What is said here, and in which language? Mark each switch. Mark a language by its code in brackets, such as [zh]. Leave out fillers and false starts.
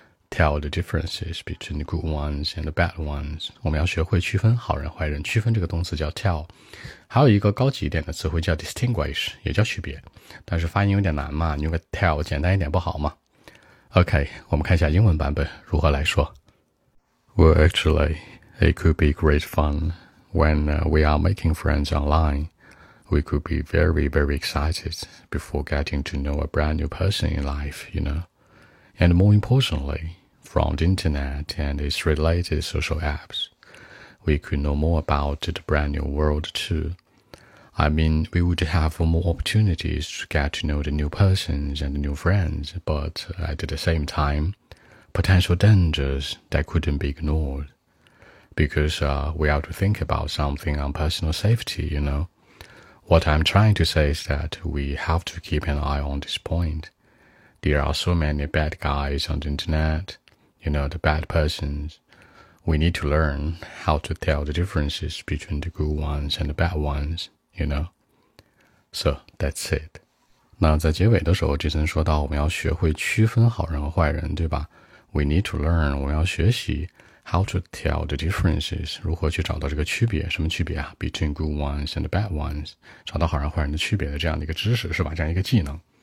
[en] Tell the differences between the good ones and the bad ones, [zh] 我们要学会区分好人坏人，区分这个动词叫 tell, 还有一个高级一点的词汇叫 distinguish, 也叫区别，但是发音有点难嘛，你用个 tell 简单一点不好吗？ OK, 我们看一下英文版本如何来说。 [en] Well, actually, it could be great fun when we are making friends online. We could be very, very excited before getting to know a brand new person in life, you know. And more importantly, from the internet and its related social apps. we could know more about the brand new world too. I mean, we would have more opportunities to get to know the new persons and new friends, but at the same time, potential dangers that couldn't be ignored. Because we have to think about something on personal safety, you know. What I'm trying to say is that we have to keep an eye on this point. There are so many bad guys on the internet, you know, the bad persons. We need to learn how to tell the differences between the good ones and the bad ones, you know. So, that's it. [zh] 那在结尾的时候，杰森说到我们要学会区分好人和坏人，对吧？ [en] We need to learn, [zh] 我们要学习 [en] how to tell the differences, [zh] 如何去找到这个区别，什么区别啊？ [en] Between good ones and bad ones, [zh] 找到好人坏人的区别的这样的一个知识，是吧？这样一个技能。